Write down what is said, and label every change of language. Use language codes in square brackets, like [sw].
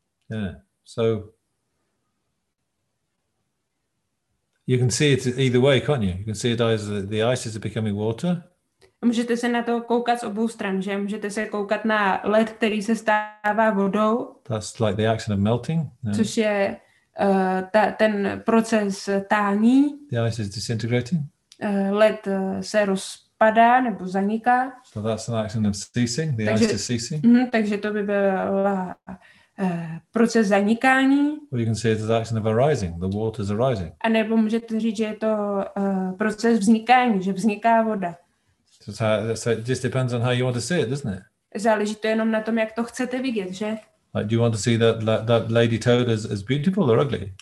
[en] Yeah, so you can see it either way, can't you? You can see it as the ice is becoming water. [cs] Můžete se na to koukat z obou stran, že? Můžete se koukat na led, který se stává vodou. [en] That's like the action of melting. [cs] No? Což je ten proces tání. [en] The ice is disintegrating. [cs] Led se rozpadá. odpadá nebo zaniká. [en] So that's an action of ceasing, the [cs] takže, [en] ice is ceasing. [cs] Takže to by byla proces zanikání. [en] Or you can say it's an action of arising, the water is arising. [cs] A nebo můžete říct, že je to proces vznikání, že vzniká voda. [en] So it just depends on how you want to see it, doesn't it? [cs] Záleží to jenom na tom, jak to chcete vidět, že? [en] Like, do you want to see that lady toad as beautiful or ugly?